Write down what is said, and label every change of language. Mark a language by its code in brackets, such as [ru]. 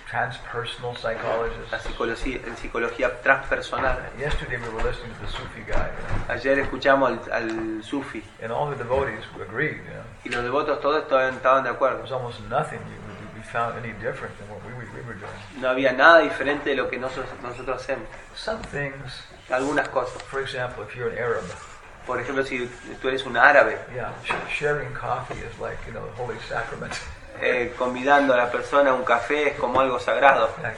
[en] transpersonal psychologists. [es] La psicología transpersonal. [en] Yesterday we were listening to the Sufi guy. [es] Ayer escuchamos al sufi. [en] And all the devotees agreed. You know. [es] Y los devotos todos estaban de acuerdo. [en] There was almost nothing we found any different than what we were doing. [es] No había nada diferente de lo que nosotros hacemos. [en] Some things. [es] Algunas cosas. [en] For example, if you're an Arab. [es] Por ejemplo, si tú eres un árabe. [en] Yeah, sharing coffee is like, you know, the holy sacrament. [es] Convidando a la persona a un café es como algo sagrado.